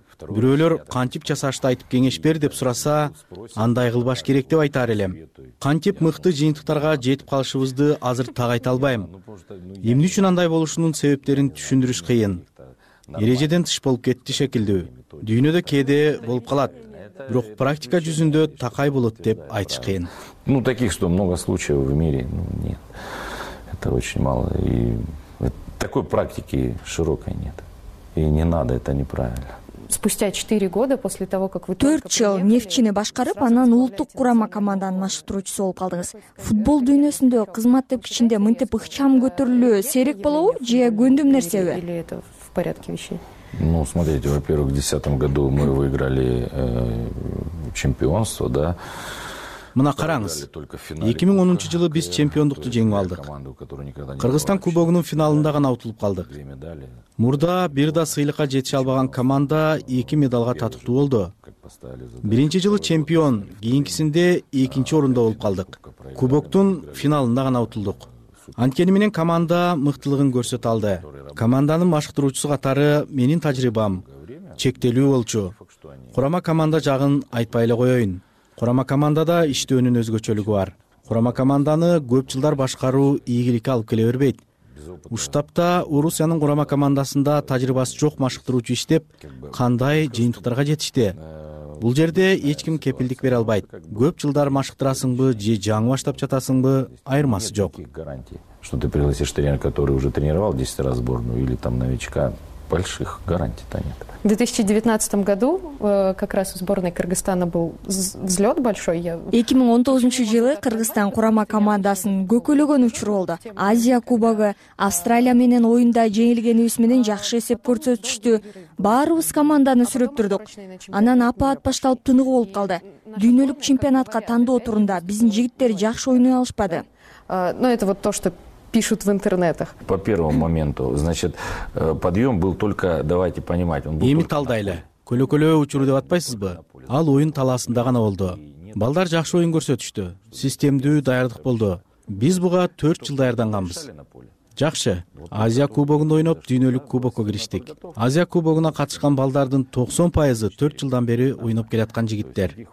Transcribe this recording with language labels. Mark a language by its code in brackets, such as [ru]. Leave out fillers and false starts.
[ky] Бирөөлөр кантип жасашты айтып кеңеш бер деп сураса, андай кылбаш керек деп айтар элем. Кантип мыкты жыйынтыктарга жетип калышыбызды азыр так айта албайм. Эмне үчүн андай болушунун себептерин түшүндүрүш кыйын. Эрежеден тыш болуп кетти шекилдүү. Дүйнөдө кээде болуп калат. Бирок практика жүзүндө такай болот деп айтыш кыйын. [ru] Ну таких что много случаев в мире, ну нет. Это очень мало и такой практики широкой нет. И не надо, это неправильно. Спустя 4 года после того, как вы [ky] Төрт жыл Нефтчини башкарып, анан улуттук курама команданын машыктыруучусу болуп калдыңыз. Футбол дүйнөсүндө кызмат тепкичинде мынтип ыкчам көтөрүлүү серек болобу же көндүм нерсеби? [ru] Порядке вещей. Ну, смотрите, во-первых, в 2010 году мы выиграли чемпионство, да. [ky] Мына караңыз. 2010 жылы биз чемпиондукту жеңип алдык. Кыргызстан кубогунун финалында гана утулуп калдык. Мурда бир да сыйлыкка жетише албаган команда эки медалга татыктуу болду. Биринчи жылы чемпион, кийинкисинде экинчи орунда болуп калдык. Кубоктун финалында гана утулдук. Анткени менен команда мыктылыгын көрсөтө алды. Команданын машыктыруучусу катары менин тажрыйбам чектелүү болчу. Курама команда жагын айтпай эле коёюн. Курама командада иштөөнүн өзгөчөлүгү бар. Курама команданы көп жылдар башкаруу ийгиликке алып келе бербейт. Уштапта Орусиянын курама командасында тажрыйбасы жок машыктыруучу иштеп, кандай жыйынтыктарга жетишти? Бул жерде эч ким кепилдик бере албайт. Көп жылдар машыктырасыңбы же жаңы баштап жатасыңбы, айырмасы жок. [ru] Что ты пригласишь тренера, который уже тренировал 10 раз сборную или там новичка, больших гарантий-то нет. В 2019 году как раз у сборной Кыргызстана был взлет большой. [ky] 2019 жылы Кыргызстан курама командасынын көкөлөгөн учуру болду. Азия кубогу, Австралия менен оюнда жеңилгенибиз менен жакшы эсеп көрсөтүштү. Баарыбыз команданы сүрөттүрдүк. Анан апаат башталып тыныгуу болуп калды. Дүйнөлүк чемпионатка тандоо турунда биздин жигиттер жакшы ойной алышпады. [ru] Ну это вот то, что пишут в интернетах. По первому моменту, значит, подъем был только, давайте понимать, он был. [ky] Эми талдайлы. Көлөкөлөө учуру деп атпайсызбы? Ал оюн талаасында гана болду. Балдар жакшы оюн көрсөтүштү. Системдүү даярдык болду. Биз буга 4 жыл даярданганбыз. Жакшы. Азия кубогунда ойноп, дүйнөлүк кубокко кириштик. Азия кубогуна катышкан балдардын 90% 4 жылдан бери ойноп келаткан жигиттер.